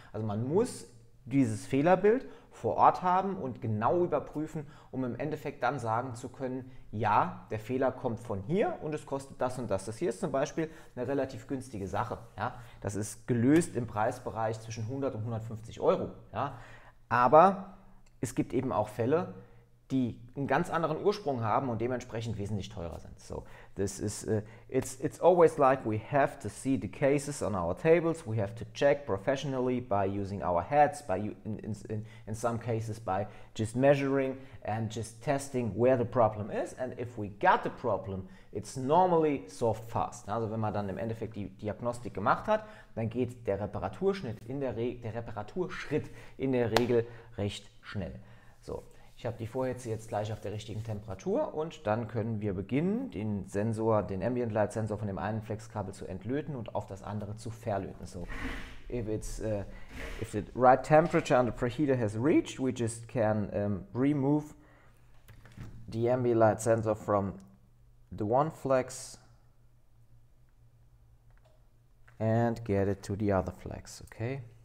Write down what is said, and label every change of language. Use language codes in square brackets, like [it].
[de] Also man muss dieses Fehlerbild vor Ort haben und genau überprüfen, um im Endeffekt dann sagen zu können, ja, der Fehler kommt von hier und es kostet das und das. Das hier ist zum Beispiel eine relativ günstige Sache. Ja? Das ist gelöst im Preisbereich zwischen 100 und 150 Euro. Ja? Aber es gibt eben auch Fälle, die einen ganz anderen Ursprung haben und dementsprechend wesentlich teurer sind. [en] So, this is it's always like we have to see the cases on our tables. We have to check professionally by using our heads, by in some cases by just measuring and just testing where the problem is. And if we got the problem, it's normally solved fast. [de] Also wenn man dann im Endeffekt die Diagnostik gemacht hat, dann geht der Reparaturschnitt in der Reparaturschritt in der Regel recht schnell. So. Ich habe die Vorhitze jetzt gleich auf der richtigen Temperatur und dann können wir beginnen, den Sensor, den Ambient Light Sensor von dem einen Flexkabel zu entlöten und auf das andere zu verlöten. [en] So, if the right temperature on the preheater has reached, we just can remove the Ambient Light Sensor from the one flex and get it to the other flex, okay?